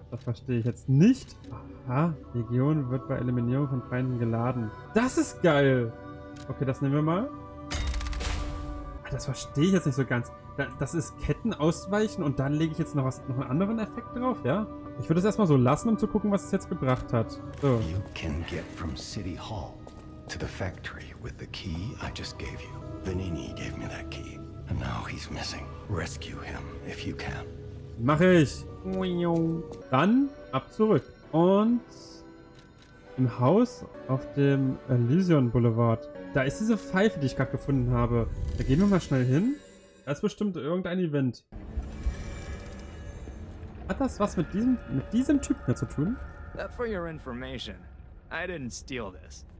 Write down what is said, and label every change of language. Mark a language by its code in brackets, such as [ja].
[de] Das verstehe ich jetzt nicht. Aha, Legion wird bei Eliminierung von Feinden geladen. Das ist geil. Okay, das nehmen wir mal. Das verstehe ich jetzt nicht so ganz. Das ist Ketten ausweichen und dann lege ich jetzt noch einen anderen Effekt drauf, ja? Ich würde es erstmal so lassen, um zu gucken, was es jetzt gebracht hat. So. [en] You can get from City Hall to the factory with the key I just gave you. Vanini gave me that key. And now he's missing. Rescue him if you can. [de] Mache ich. Dann ab zurück. Und im Haus auf dem Elysion Boulevard. Da ist diese Pfeife, die ich gerade gefunden habe. Da gehen wir mal schnell hin. Das ist bestimmt irgendein Event. Hat das was mit diesem Typ hier zu tun? [en] For your information, I didn't steal this.